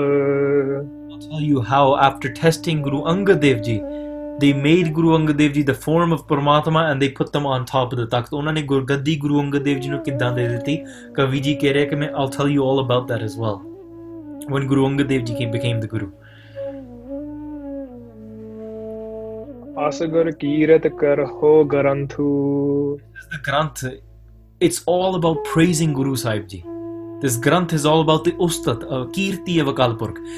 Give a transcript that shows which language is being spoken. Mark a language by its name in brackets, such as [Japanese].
[English] I'll tell you how after testing Guru Angad Dev Ji, they made Guru Angad Dev Ji the form of Paramatma and they put them on top of the takht. [Punjabi] ਉਹਨਾਂ ਨੇ ਗੁਰਗੱਦੀ ਗੁਰੂ ਅੰਗਦ ਦੇਵ ਜੀ ਨੂੰ ਕਿੱਦਾਂ ਦੇ ਦਿੱਤੀ ਕਵੀ ਜੀ ਕਹਿ ਰਿਹਾ ਕਿ ਮੈਂ [English] I'll tell you all about that as well. When Guru Angad Dev Ji became the Guru. [Punjabi] Asghar Kirat ਕਰਹੋ ਗ੍ਰੰਥੁ [English] This is the Granth. It's all about praising Guru Sahib Ji. This granth is all about the ustat of kirti of akal purakh.